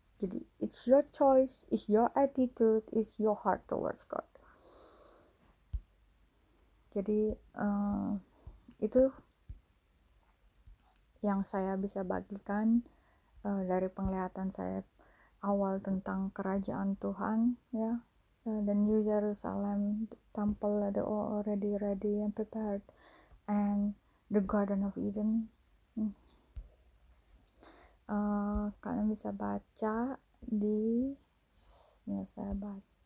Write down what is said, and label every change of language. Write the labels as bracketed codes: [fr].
[id] Jadi, [en] it's your choice, it's your attitude, it's your heart towards God. [id] Jadi, itu yang saya bisa bagikan dari penglihatan saya awal tentang kerajaan Tuhan. Ya. [en] The New Jerusalem, the temple are already ready and prepared, and the Garden of Eden. [id] Kalian bisa baca di, ya, saya baca